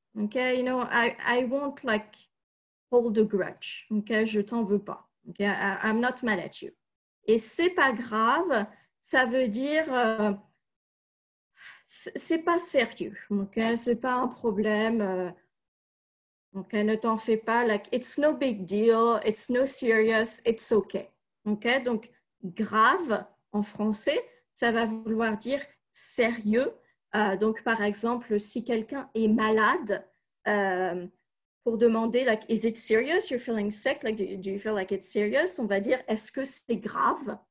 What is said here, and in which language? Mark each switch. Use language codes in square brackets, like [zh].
[en] Okay, you know, I won't like hold a grudge. Okay, [fr] je t'en veux pas. [en] Okay, I'm not mad at you. [fr] Et c'est pas grave, ça veut dire c'est pas sérieux. Okay, c'est pas un problème. Okay, ne t'en fais pas. [en] Like, it's no big deal, it's no serious, it's okay. [fr] Okay, donc grave en français, ça va vouloir dire sérieux. Donc, par exemple, si quelqu'un est malade, pour demander, like, [en] is it serious? You're feeling sick? Like, do you feel like it's serious? [fr] On va dire, est-ce que c'est grave?